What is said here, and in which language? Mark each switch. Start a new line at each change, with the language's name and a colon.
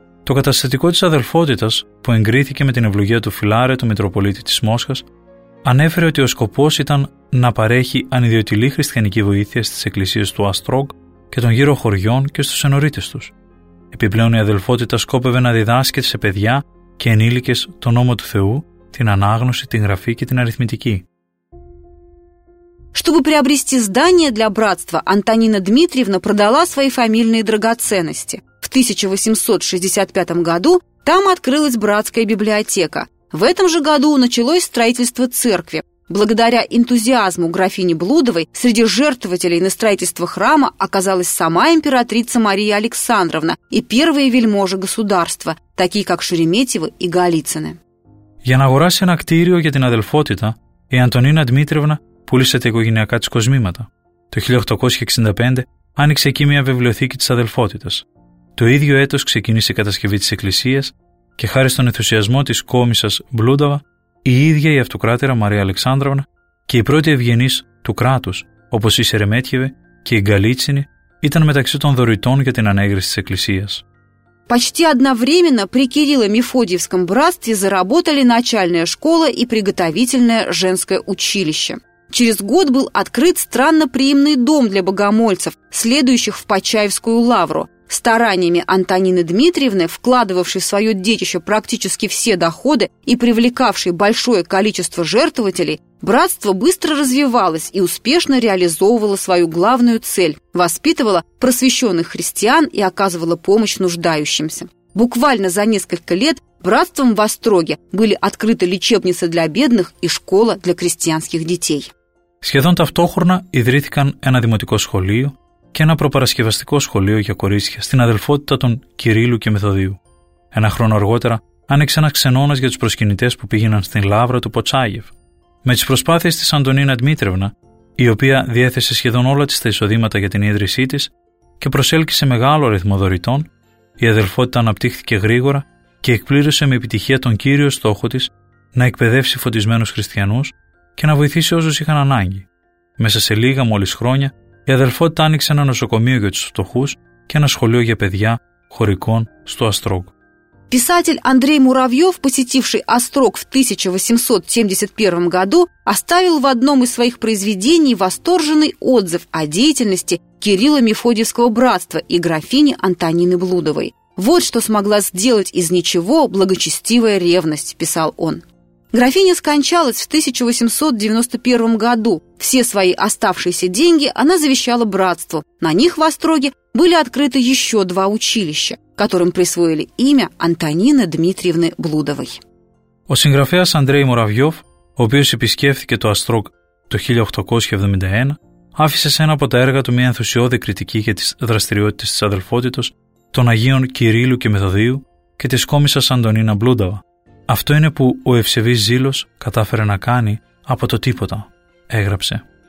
Greek: Το καταστατικό της αδελφότητας, που εγκρίθηκε με την ευλογία του Φιλάρε, του Μητροπολίτη της Μόσχας, ανέφερε ότι ο σκοπός ήταν να παρέχει ανιδιωτηλή χριστιανική βοήθεια στις εκκλησίες του Αστρόγ και των γύρω χωριών και στους ενορίτες τους. Επιπλέον, η αδελφότητα σκόπευε να διδάσκει σε παιδιά και ενήλικες τον νόμο του Θεού, την ανάγνωση, την γραφή και την αριθμητική.
Russian: Чтобы приобрести здание для братства, Антонина Дмитриевна продала свои фамильные драгоценности. В 1865 году там открылась братская библиотека. В этом же году началось строительство церкви. Благодаря энтузиазму графини Блудовой среди жертвователей на строительство храма оказалась сама императрица Мария Александровна и первые вельможи государства, такие как Шереметьевы и Голицыны.
Greek: Για να αγοράσει ένα κτίριο για την αδελφότητα, η Αντωνίνα Δημήτρευνα πούλησε τα οικογενειακά της κοσμήματα. Το 1865 άνοιξε εκεί μια βιβλιοθήκη της αδελφότητας. Το ίδιο έτος ξεκίνησε η κατασκευή της εκκλησίας και χάρη στον ενθουσιασμό της κόμισσας Μπλούνταβα, η ίδια η αυτοκράτερα Μαρία Αλεξάνδραυνα και η πρώτη ευγενής του κράτους, όπως η Σερεμέτιεβε και η Γκαλίτσινη, ήταν μεταξύ των δωρητών για την ανέγερση της εκκλησίας.
Russian: Почти одновременно при Кирилло-Мефодиевском братстве заработали начальная школа и приготовительное женское училище. Через год был открыт странноприимный дом для богомольцев, следующих в Почаевскую лавру. Стараниями Антонины Дмитриевны, вкладывавшей в свое детище практически все доходы и привлекавшей большое количество жертвователей, братство быстро развивалось и успешно реализовывало свою главную цель – воспитывало просвещенных христиан и оказывало помощь нуждающимся. Буквально за несколько лет братством в Остроге были открыты лечебница для бедных и школа для крестьянских детей.
Greek: Сχεδόν ταυτόχρονα ιδρύθηκαν ένα δημοτικό σχολείο και ένα προπαρασκευαστικό σχολείο για κορίτσια στην αδελφότητα των Κυρίλου και Μεθοδίου. Ένα χρόνο αργότερα άνοιξε ένα ξενώνας για τους προσκυνητές που πήγαιναν στην Λαύρα του Ποτσάγεφ. Με τις προσπάθειες της Αντωνίνα Δημήτρευνα, η οποία διέθεσε σχεδόν όλα της τα εισοδήματα για την ίδρυσή της και προσέλκυσε μεγάλο αριθμό δωρητών, η αδελφότητα αναπτύχθηκε γρήγορα και εκπλήρωσε με επιτυχία τον κύριο στόχο της να εκπαιδεύσει φωτισμένους χριστιανούς και να βοηθήσει όσους είχαν ανάγκη. Μέσα σε λίγα μόλις χρόνια, η αδελφότητα άνοιξε ένα νοσοκομείο για τους φτωχούς και ένα σχολείο για παιδιά χωρικών στο Αστρόγ.
Russian: Писатель Андрей Муравьев, посетивший Острог в 1871 году, оставил в одном из своих произведений восторженный отзыв о деятельности Кирилло-Мефодиевского братства и графини Антонины Блудовой. «Вот что смогла сделать из ничего благочестивая ревность», – писал он. Графиня скончалась в 1891 году. Все свои оставшиеся деньги она завещала братству. На них в Остроге были открыты еще два училища, которым присвоили имя Антонины Дмитриевны Блудовой.
Greek: Ο συγγραφέας Андрей Муравьев, ο οποίος επισκέφθηκε το Αστρόγ το 1871, άφησε σε ένα από τα έργα του μια ενθουσιώδη κριτική για τις δραστηριότητες της αδελφότητος των Αγίων Κυρίλου και Μεθοδίου και της κόμισσας Αντωνίνα Μπλούνταβα. Αυτό είναι που ο ευσεβής ζήλος κατάφερε να κάνει από το τίποτα, έγραψε.